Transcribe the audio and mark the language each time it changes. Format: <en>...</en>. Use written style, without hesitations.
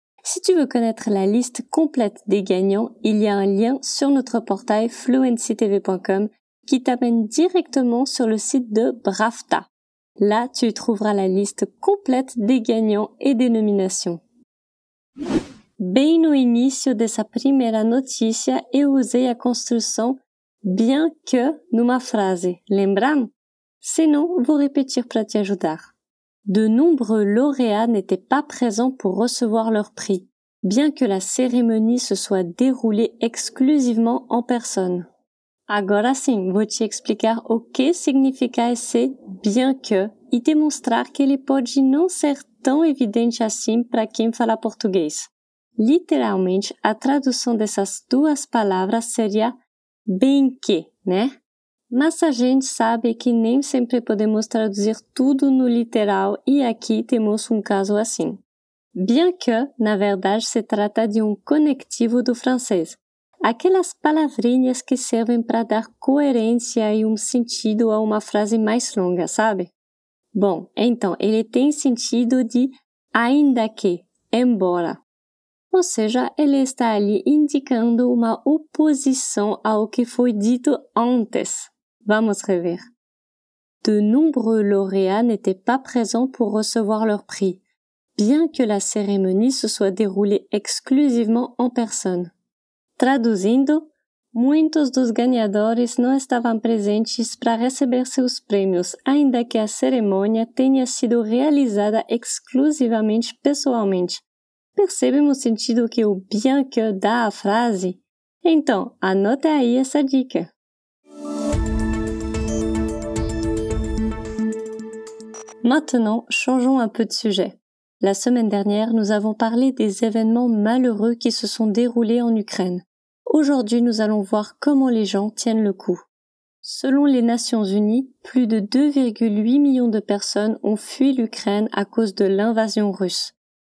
<fr>Si tu veux connaître la liste complète des gagnants, il y a un lien sur notre portail fluencytv.com qui t'amène directement sur le site de BAFTA. Là, tu trouveras la liste complète des gagnants et des nominations.</fr> <pt>Bem no início dessa primeira notícia, eu usei a construção bien que numa frase, lembram? Sinon, vou repetir para te ajudar.</pt> <fr>De nombreux lauréats n'étaient pas présents pour recevoir leur prix, bien que la cérémonie se soit déroulée exclusivement en personne.</fr> <pt>Agora sim, vou te explicar o que significa esse bien que e demonstrar que ele pode não ser tão evidente assim para quem fala português. Literalmente, a tradução dessas duas palavras seria bem que, né? Mas a gente sabe que nem sempre podemos traduzir tudo no literal e aqui temos caso assim. Bien que, na verdade, se trata de conectivo do francês. Aquelas palavrinhas que servem para dar coerência e sentido a uma frase mais longa, sabe? Bom, então, ele tem sentido de ainda que, embora. Ou seja, ele está ali indicando uma oposição ao que foi dito antes. Vamos rever.</pt> <fr>De nombreux lauréats n'étaient pas présents pour recevoir leur prix, bien que la cérémonie se soit déroulée exclusivement en personne.</fr> <pt>Traduzindo, Muitos dos ganhadores não estavam presentes para receber seus prêmios, ainda que a cerimônia tenha sido realizada exclusivamente pessoalmente. Percebe o sentido que o bien que dá à frase? Então, anota aí essa dica.</pt> <fr>Maintenant, changeons un peu de sujet. La semaine dernière, nous avons parlé des événements malheureux qui se sont déroulés en Ukraine. Aujourd'hui, nous allons voir comment les gens tiennent le coup. Selon les Nations Unies, plus de 2,8 millions de personnes ont fui l'Ukraine à cause de l'invasion russe.</fr>